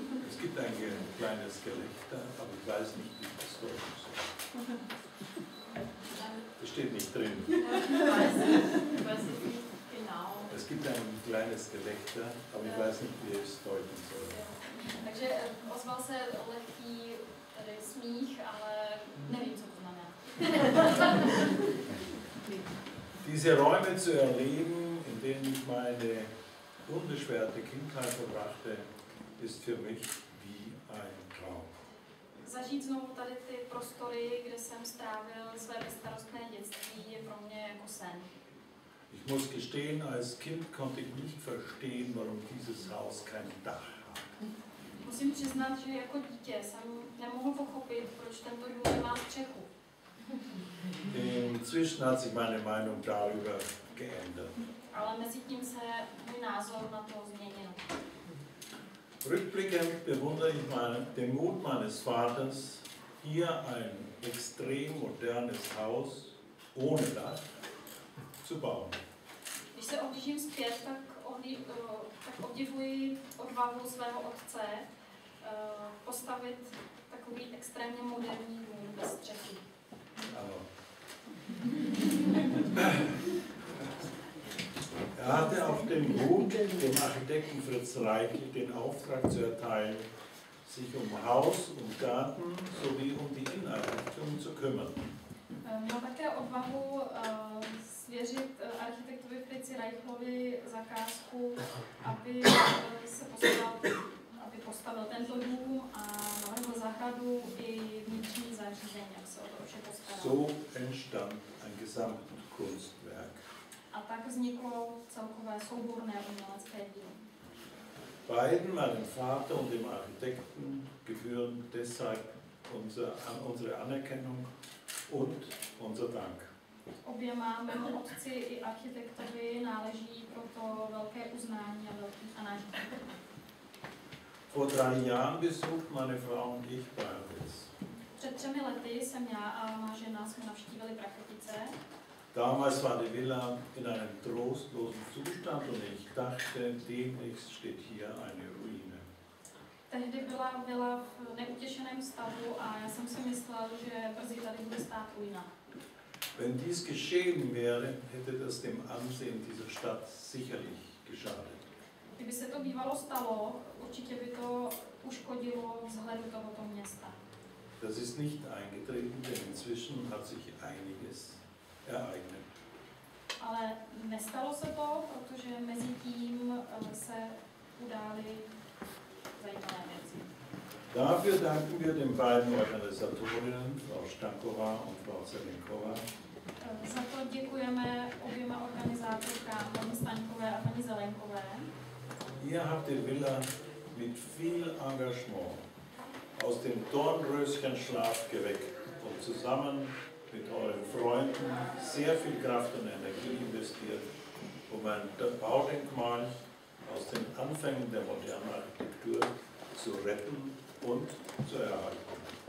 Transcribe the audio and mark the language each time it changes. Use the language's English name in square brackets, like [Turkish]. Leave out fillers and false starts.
[German] Es gibt ein kleines Gelächter, aber ich weiß nicht, wie das so ist. Das steht nicht drin. Ich weiß nicht genau. Es gibt ein kleines Gelächter, aber ich weiß nicht, wie es deuten soll. Ja. [Czech] Takže ozval se lehký tady smích, ale nevím, co to znamená. [German] Diese Räume zu erleben, in denen ich meine unbeschwerte Kindheit verbrachte, ist für mich wie ein Traum. [Czech] Zažít znovu tady ty prostory, kde jsem strávil své bezstarostné dětství, je pro mě jako sen. [German] Ich muss gestehen, als Kind konnte ich nicht verstehen, warum dieses Haus kein Dach hat. [Czech] Musím přiznat, že jako dítě jsem nemohl pochopit, proč tento dům nemá střechu. [German] Inzwischen hat sich meine Meinung darüber geändert. [Czech] Ale mezi tím se můj názor na to změnil. [German] Rückblickend bewundere ich den Mut meines Vaters, hier ein extrem modernes Haus ohne Dach zu bauen. [Czech] Když se obdivuji zpět, tak obdivuji odvahu svého otce postavit takový extrémně moderní dům bez střechy. Ano. [German] Er hatte auch den Mut, dem Architekten Fritz Reichel den Auftrag zu erteilen, sich um Haus und Garten sowie um die Inneneinrichtung zu kümmern. [Czech] Má také odvahu svěřit architektovi Fritzi Reichlovi zakázku, aby se postavil tento dům a navrhl zahradu i vnitřní zařízení, aby se o to vše postaral. [German] So entstand ein Gesamtkunstwerk. [Czech] A tak vzniklo celkové souborné umělecké dílo. [German] Beiden, meinem Vater und dem Architekten, gehören deshalb unsere Anerkennung und unser Dank. [Czech] Oběma, mému otci i architektovi, náleží proto velké uznání a velký a náš dík. [German] Vor 3 Jahren besucht meine Frau und ich Prachatice. [Czech] Před 3 lety jsem já a má žena jsme navštívili Prachatice. [German] Damals war die Villa in einem trostlosen Zustand und ich dachte, demnächst steht hier eine Ruine. [Czech] Tehdy byla vila v neutěšeném stavu a já jsem si myslel, že brzy tady bude stát ruina. [German] Wenn dies geschehen wäre, hätte das dem Ansehen dieser Stadt sicherlich geschadet. [Czech] Kdyby se to bývalo stalo, určitě by to uškodilo vzhledu tohoto města. [German] Das ist nicht eingetreten, denn inzwischen hat sich einiges ereignet. [Czech] Ale nestalo se to, protože mezi tím se udály zajímavé věci. [German] Dafür danken wir den beiden Organisatorinnen, Frau Stankova und Frau Zelenkova. [Czech] Za to děkujeme oběma organizátorkám, paní Stankové a paní Zelenkové. [German] Ihr habt die Villa mit viel Engagement aus dem Dornröschenschlaf geweckt und zusammen mit euren Freunden sehr viel Kraft und Energie investiert, um ein Baudenkmal aus den Anfängen der modernen Architektur zu retten und zu erhalten.